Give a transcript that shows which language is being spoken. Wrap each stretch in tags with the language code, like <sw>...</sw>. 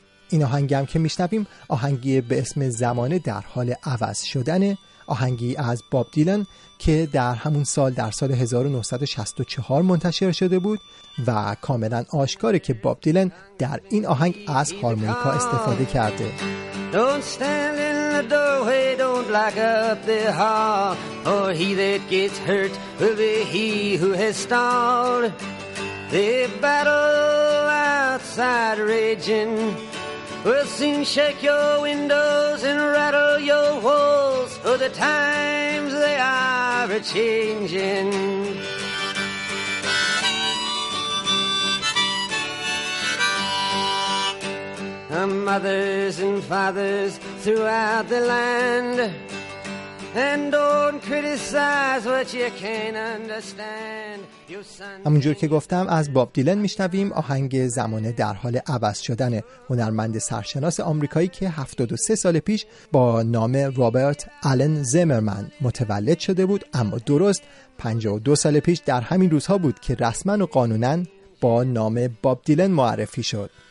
<fa>این آهنگی هم که میشنویم آهنگی به اسم زمانه در حال عوض شدنه، آهنگی از باب دیلن که در همون سال در سال 1964 منتشر شده بود و کاملا آشکاره که باب دیلن در این آهنگ از هارمونیکا استفاده کرده.</fa> <en>Don't stand in the doorway, don't lock up the hall, for he that gets hurt will be he who has stalled. The battle outside raging will soon shake your windows and rattle your walls, for the times they are a-changing. Mothers and fathers throughout the land, and don't criticize what you can't understand.</en> <fa>همونجور که گفتم از باب دیلن میشنویم آهنگ زمانه در حال عوض شدنه، هنرمند سرشناس آمریکایی که 73 سال پیش با نام رابرت آلن زیمرمن متولد شده بود، اما درست 52 سال پیش در همین روزها بود که رسما و قانونا با نام باب دیلن معرفی شد.</fa>